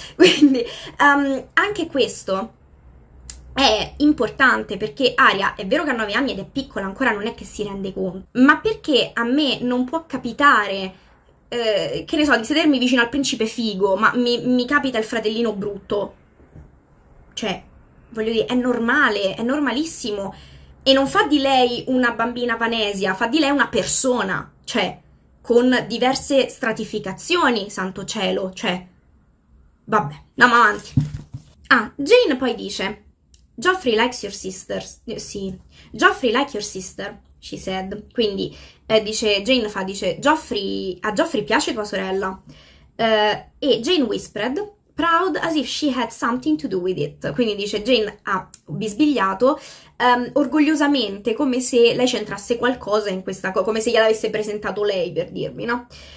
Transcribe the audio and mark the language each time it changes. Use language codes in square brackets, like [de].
[it] Quindi anche questo è importante, perché Arya è vero che ha 9 anni ed è piccola, ancora non è che si rende conto, ma perché a me non può capitare, che ne so, di sedermi vicino al principe figo, ma mi capita il fratellino brutto? Cioè, voglio dire, è normale, è normalissimo, e non fa di lei una bambina vanesia, fa di lei una persona, cioè, con diverse stratificazioni, santo cielo, cioè. Vabbè, andiamo avanti. Ah, Jane poi dice: [en] Joffrey likes your sisters. Sì, Joffrey like your sister, she said. [it] Quindi, dice, Jane fa, dice: Joffrey, a Joffrey piace tua sorella. [en] E Jane whispered, proud as if she had something to do with it. [it] Quindi dice: Jane ha bisbigliato, orgogliosamente, come se lei c'entrasse qualcosa in questa cosa, come se gliel'avesse presentato lei, per dirmi, no?